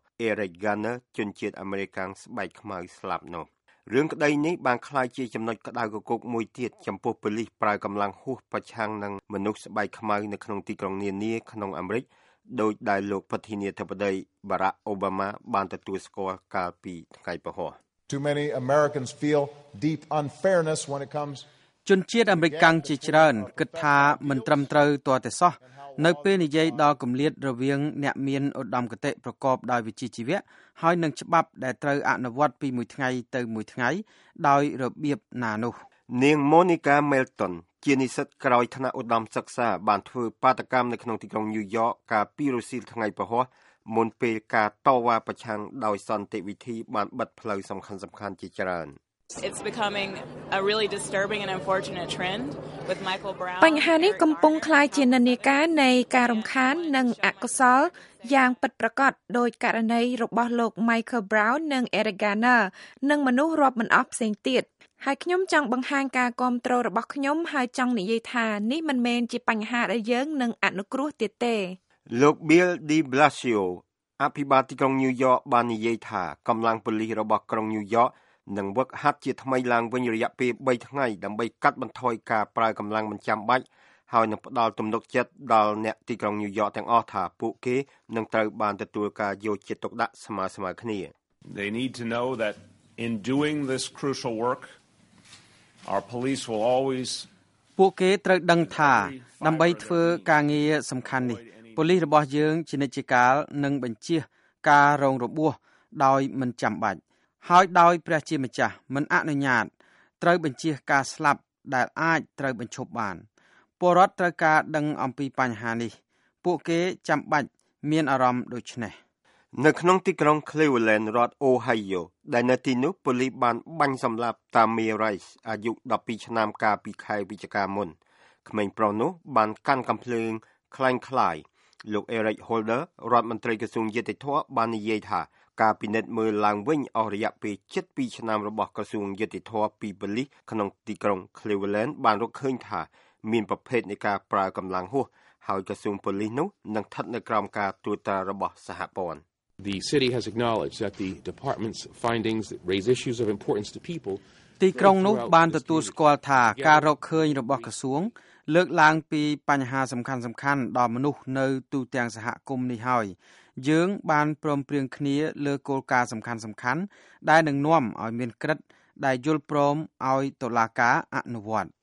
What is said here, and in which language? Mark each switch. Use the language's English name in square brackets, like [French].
[Khmer] Eric Garner ជនជាតិអាមេរិកស្បែកខ្មៅស្លាប់នោះរឿងក្តីនេះបានក្លាយជាចំណុចក្តៅគគុកមួយទៀតចំពោះប៉ូលីសប្រើកម្លាំងហួសប្រឆាំងនឹងមនុស្សស្បែកខ្មៅនៅក្នុងទីក្រុងនានាក្នុងអាមេរិកដោយដែលលោកប្រធានាធិបតី Barack Obama បានទទួលស្គាល់កាលពីថ្ងៃពុធ [English] Too many Americans feel deep unfairness when it comes [Khmer] ជនជាតិអាមេរិកជាច្រើនគិតថាមិនត្រឹមត្រូវទាល់តែសោះនៅពេលនិយាយដល់គម្លាតរវាងអ្នកមានឧត្តមគតិប្រកបដោយវិជ្ជាជីវៈហើយនឹងច្បាប់ដែលត្រូវអនុវត្តពីមួយថ្ងៃទៅមួយថ្ងៃដោយរបៀបណានោះ នាងម៉ូនីកាមេលតុនជានិស្សិតក្រោយថ្នាក់ឧត្តមសិក្សាបានធ្វើបាតកម្មនៅក្នុងទីក្រុងញូវយ៉កកាលពីរសៀលថ្ងៃពុធមុនពេលការតវ៉ាប្រឆាំងដោយសន្តិវិធីបានបិទផ្លូវសំខាន់ៗជាច្រើន [English] It's becoming a really disturbing and unfortunate trend with Michael Brown. [Khmer] បញ្ហានេះកំពុងក្លាយជានិន្នាការនៃការរំខាននិងអកុសលយ៉ាងពិតប្រាកដដោយករណីរបស់លោក Michael Brown និង Eric Garner និងមនុស្សរាប់មិនអស់ផ្សេងទៀត ហើយខ្ញុំចង់បង្ហាញការគ្រប់គ្រងរបស់ខ្ញុំហើយចង់និយាយថានេះមិនមែនជាបញ្ហាដែលយើងនឹងអនុគ្រោះទៀតទេ លោក Bill de Blasio អភិបាលទីក្រុង New York បាននិយាយថាកម្លាំងប៉ូលីសរបស់ក្រុង New York នឹងវឹកហាត់ជាថ្មីឡើងវិញរយៈពេល3ថ្ងៃដើម្បីកាត់បន្ថយការប្រើកម្លាំងមិនចាំបាច់ហើយនឹងផ្ដល់ទំនុកចិត្តដល់អ្នកទីក្រុង New York ទាំងអស់ថាពួកគេនឹងត្រូវបានទទួលការយកចិត្តទុកដាក់ស្មើស្មើគ្នា [English] They need to know thatIn doing this crucial work, our police will always. [Khmer] ពួកគេត្រូវដឹងថាដើម្បីធ្វើការងារសំខាន់នេះប៉ូលីសរបស់យើងជានិច្ចកាលនឹងបញ្ជាការរងរបួសដោយមិនចាំបាច់ហើយដោយព្រះជាម្ចាស់មិនអនុញ្ញាតត្រូវបញ្ជាការស្លាប់ដែលអាចត្រូវបញ្ឈប់បានពលរដ្ឋត្រូវការដឹងអំពីបញ្ហានេះពួកគេចាំបាច់មានអារម្មណ៍ដូច្នេះ នៅក្នុងទីក្រុង Cleveland រដ្ឋ Ohio ដែលនៅទីនោះប៉ូលីសបានបាញ់សម្លាប់តាមីរ៉ៃសអាយុ12ឆ្នាំកាលពីខែវិច្ឆិកាមុន ក្មេងប្រុសនោះបានកាន់កាំភ្លើងខ្លាំងខ្លាយលោក Eric Holder រដ្ឋមន្ត្រីក្រសួងយុតិធម៌បាននិយាយថាការពិនិត្យមើលឡើងវិញអស់រយៈពេល72ឆ្នាំរបស់ក្រសួងយុតិធម៌ពីប៉ូលីសក្នុងទីក្រុង Cleveland បានរកឃើញថាមានប្រភេទនៃការប្រើកម្លាំងហួសហើយក្រសួងប៉ូលីសនោះនឹងស្ថិតនៅក្រោមការត្រួតត្រារបស់សហព័ន្ធ [English] The city has acknowledged that the department's findings raise issues of importance to people. [Khmer] ទីក្រុងនោះបានទទួលស្គាល់ថាការរកឃើញរបស់ក្រសួងលើកឡើងពីបញ្ហាសំខាន់ៗដល់មនុស្សនៅទូទាំងសហគមន៍នេះហើយយើងបានព្រមព្រៀងគ្នាលើគោលការណ៍សំខាន់ៗដែលនឹងនាំឲ្យមានក្រឹត្យដែលយល់ព្រមឲ្យតុលាការអនុវត្ត